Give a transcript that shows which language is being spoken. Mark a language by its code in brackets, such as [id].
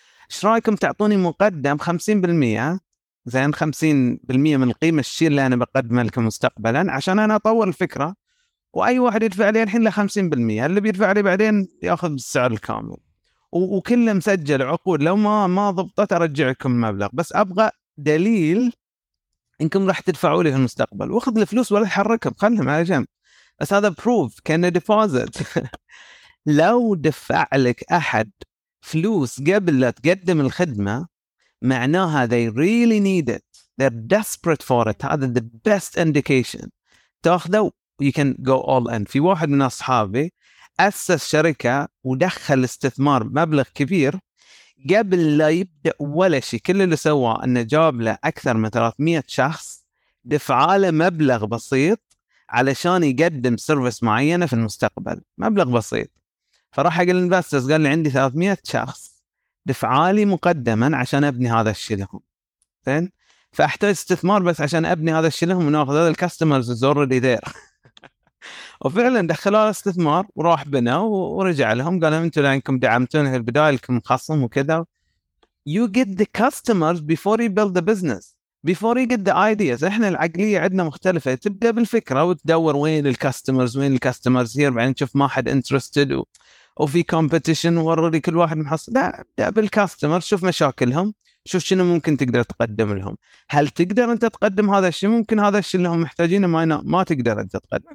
[ar] إيش رأيكم تعطوني مقدم 50%، زين 50% من القيمة الشيء اللي أنا بقدمه لكم مستقبلا عشان أنا أطور الفكرة، وأي واحد يدفع لي الحين ل 50% اللي بيدفع لي بعدين يأخذ السعر الكامل، وكل مسجل عقود لو ما ضبطت أرجعكم مبلغ، بس أبغى دليل إنكم راح تدفعوا لي في المستقبل، واخذ الفلوس ولا تحركهم خلهم على جنب، بس هذا بروف كان ديفوزيت. لو دفع لك أحد فلوس قبل لا تقدم الخدمة معناها [en] they really need it, they're desperate for it. [ar] هذا [en] the best indication [ar] تأخذه [en] you can go all in. [ar] في واحد من أصحابي أسس شركة ودخل استثمار مبلغ كبير قبل لا يبدأ ولا شيء، كل اللي سواه أنه جاب له أكثر من 300 شخص دفع له مبلغ بسيط علشان يقدم سيرفيس معينة في المستقبل، مبلغ بسيط. فراح أقول للإنفستورز قال لي عندي 300 شخص دفع لي مقدما عشان أبني هذا الشيء لهم، فأحتاج استثمار بس عشان أبني هذا الشيء لهم ونأخذ هذا الكاستمرز الزور اللي دير. وفعلا دخلوا الاستثمار وراح بنا ورجع لهم قال لهم انتوا لانكم دعمتوني في البدايه لكم خصم وكذا. [en] You get the customers before you build the business, before you get the ideas. [ar] احنا العقليه عندنا مختلفه، تبدا بالفكره وتدور وين الكاستمرز، وين الكاستمرز هير، بعدين تشوف ما حد انترستد وفي كومبيتيشن وري كل واحد محصل. لا ابدا بالكاستمر، شوف مشاكلهم، شوف شنو ممكن تقدر تقدم لهم. هل تقدر أنت تقدم هذا الشيء؟ ممكن هذا الشيء اللي هم محتاجينه ما تقدر أنت تقدم.